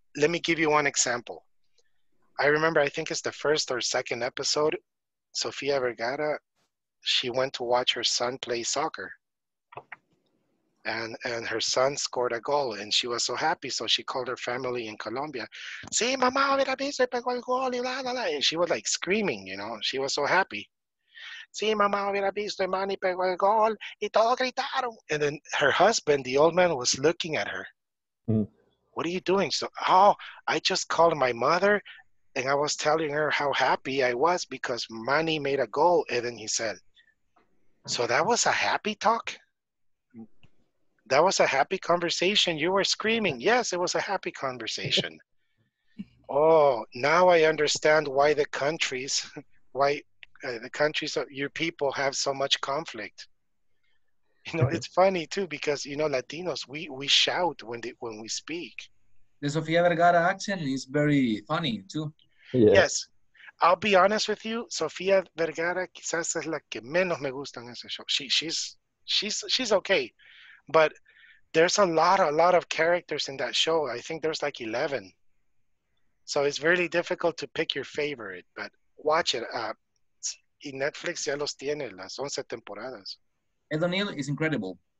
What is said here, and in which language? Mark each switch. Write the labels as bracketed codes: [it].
[en] Let me give you one example. I remember, I think it's the first or second episode, Sofia Vergara, she went to watch her son play soccer. And her son scored a goal, and she was so happy, so she called her family in Colombia. [es] Sí, mamá, mira, se pegó el gol, y la, la, la. [en] And she was like screaming, you know. She was so happy. [es] Sí, mamá, hubiera visto, mani pegó el gol, y todos gritaron. [en] And then her husband, the old man, was looking at her. What are you doing? So, oh, I just called my mother, and I was telling her how happy I was because Manny made a goal. And then he said, so that was a happy talk? That was a happy conversation. You were screaming. Yes, it was a happy conversation. Oh, now I understand why the countries of your people have so much conflict. You know, it's funny too, because, you know, Latinos, we shout when we speak. The Sofia Vergara accent is very funny too. Yes. Yes. I'll be honest with you. [es] Sofia Vergara quizás es la que menos me gusta en ese show. [en] She's okay. But there's a lot of characters in that show. I think there's like 11. So it's really difficult to pick your favorite, but watch it. [es] Y Netflix ya los tiene, las 11 temporadas. [en] Ed O'Neill is incredible.